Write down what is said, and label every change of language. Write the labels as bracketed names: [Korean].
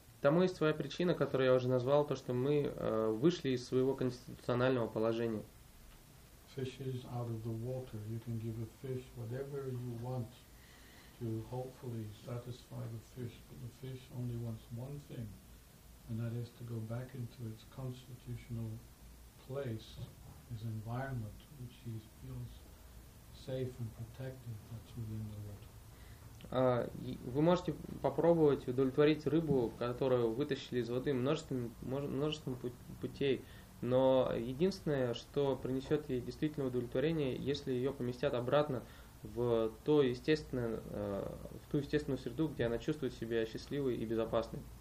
[Russian] Тому есть своя причина, которую я уже назвал, то, что мы вышли из своего конституционального положения. [English] Fishes out of the water. You can give a fish whatever you want to hopefully satisfy the fish, but the fish only wants one thing, and that is to go back into its constitutional place, its environment, which he feels safe and protected. That's within the water. [Russian] Вы можете попробовать удовлетворить рыбу, которую вытащили из воды, множеством путей. Но единственное, что принесет ей действительно удовлетворение, если ее поместят обратно в ту естественную среду, где она чувствует себя счастливой и безопасной.